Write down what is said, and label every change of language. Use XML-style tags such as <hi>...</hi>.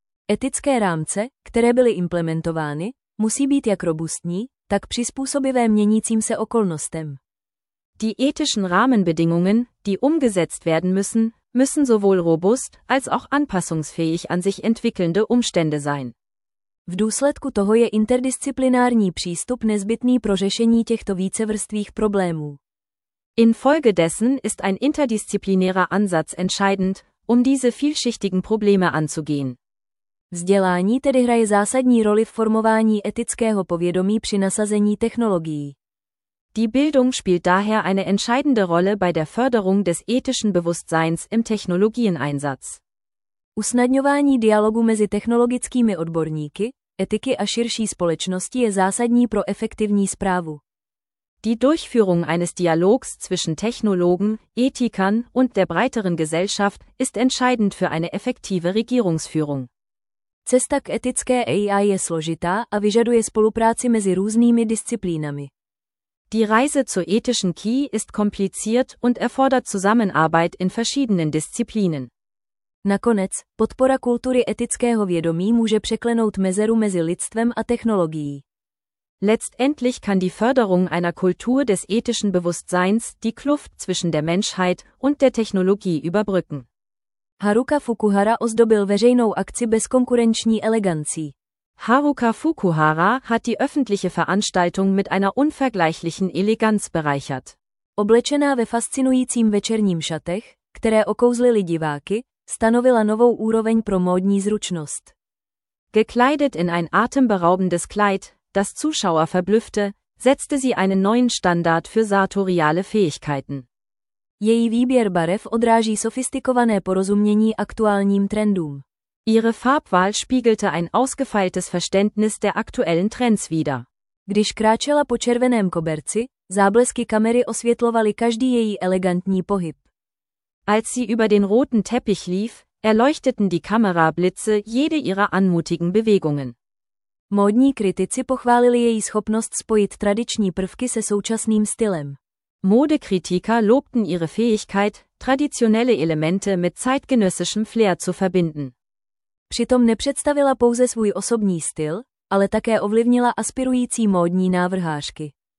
<cs>Etické rámce, které byly implementovány, musí být jak robustní, tak přizpůsobivé měnícím se okolnostem.</cs> <de>Die ethischen Rahmenbedingungen, die umgesetzt werden müssen, müssen sowohl robust als auch anpassungsfähig an sich entwickelnde Umstände sein.</de> <cs>V důsledku toho je interdisciplinární přístup nezbytný pro řešení těchto vícevrstvých problémů.</cs> <de>Infolgedessen ist ein interdisziplinärer Ansatz entscheidend, um diese vielschichtigen Probleme anzugehen.</de> <cs>Vzdělání tedy hraje zásadní roli v formování etického povědomí při nasazení technologií.</cs> <de>Die Bildung spielt daher eine entscheidende Rolle bei der Förderung des ethischen Bewusstseins im Technologieneinsatz.</de> <cs>Usnadňování dialogu mezi technologickými odborníky, etiky a širší společnosti je zásadní pro efektivní správu.</cs> <de>Die Durchführung eines Dialogs zwischen Technologen, Ethikern und der breiteren Gesellschaft ist entscheidend für eine effektive Regierungsführung.</de> <cs>Cesta k etické AI je složitá a vyžaduje spolupráci mezi různými disciplínami.</cs> <de>Die Reise zur ethischen Key ist kompliziert und erfordert Zusammenarbeit in verschiedenen Disziplinen.</de> <cs>Nakonec, podpora kultury etického vědomí může překlenout mezeru mezi lidstvem a technologií.</cs> <de>Letztendlich kann die Förderung einer Kultur des ethischen Bewusstseins die Kluft zwischen der Menschheit und der Technologie überbrücken.</de> <cs>Haruka Fukuhara ozdobil veřejnou akci bezkonkurenční elegancí.</cs> <de>Haruka Fukuhara hat die öffentliche Veranstaltung mit einer unvergleichlichen Eleganz bereichert.</de> <cs>Oblečená ve fascinujícím večerním šatech, které okouzlily diváky, stanovila novou úroveň pro módní zručnost.</cs> <de>Gekleidet in ein atemberaubendes Kleid, das Zuschauer verblüffte, setzte sie einen neuen Standard für sartoriale Fähigkeiten.</de> <cs>Její výběr barev odráží sofistikované porozumění aktuálním trendům.</cs> <de>Ihre Farbwahl spiegelte ein ausgefeiltes Verständnis der aktuellen Trends wider.</de> <cs>Když kráčela po červeném koberci, záblesky kamery osvětlovaly každý její elegantní pohyb.</cs> <de>Als sie über den roten Teppich lief, erleuchteten die Kamerablitze jede ihrer anmutigen Bewegungen.</de> <cs>Módní kritici pochválili její schopnost spojit tradiční prvky se současným stylem.</cs> <de>Modekritiker lobten ihre Fähigkeit, traditionelle Elemente mit zeitgenössischem Flair zu verbinden.</de> <cs>Přitom nepředstavila pouze svůj osobní styl, ale také ovlivnila aspirující módní návrhářky.</cs>